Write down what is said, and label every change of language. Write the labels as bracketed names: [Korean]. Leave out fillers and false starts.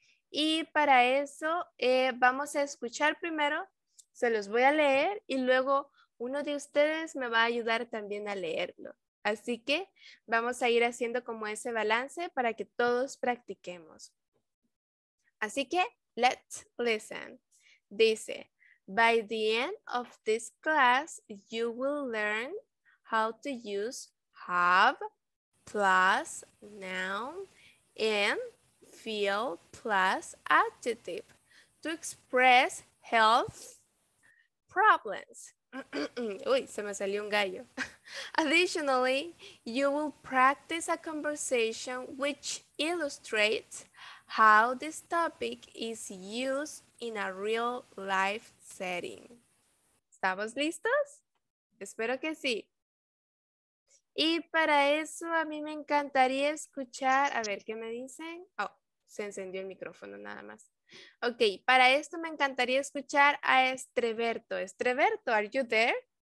[Spanish] Y para eso, vamos a escuchar primero. Se los voy a leer y luego uno de ustedes me va a ayudar también a leerlo. Así que vamos a ir haciendo como ese balance para que todos practiquemos. Así que, [English] let's listen. [Spanish] Dice, [English] by the end of this class, you will learn how to use have plus noun and feel plus adjective to express health problems. [Spanish] Uy, se me salió un gallo. [English] Additionally, you will practice a conversation which illustrates how this topic is used in a real life setting. [Spanish] ¿Estamos listos? Espero que sí. Y para eso a mí me encantaría escuchar, a ver qué me dicen. Oh, se encendió el micrófono nada más. Ok, para esto me encantaría escuchar a Estreberto. [English] Estreberto, are you there?